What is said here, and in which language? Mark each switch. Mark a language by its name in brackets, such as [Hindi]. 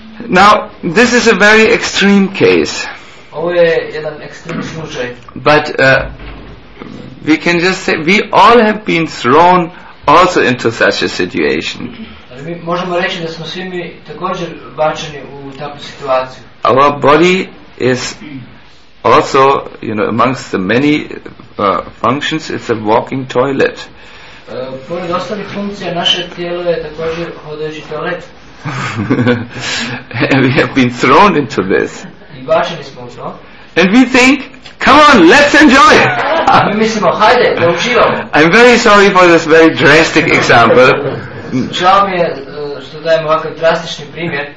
[English] Now, this is a very extreme case. But we can just say, we all have been thrown also into such a situation. Our body is also, you know, amongst the many functions, it's a walking toilet. [Croatian] Pored ostalih funkcija, naše tijelo je također hodajući toalet. [English] And we have been thrown into this. [Croatian] I bačeni smo u to. [English] And we think, come on, let's enjoy. [Croatian] Mi mislimo, hajde, da uživamo. [English] I'm very sorry for this very drastic example. [Croatian] Žao mi je što dajem ovakav drastični primjer.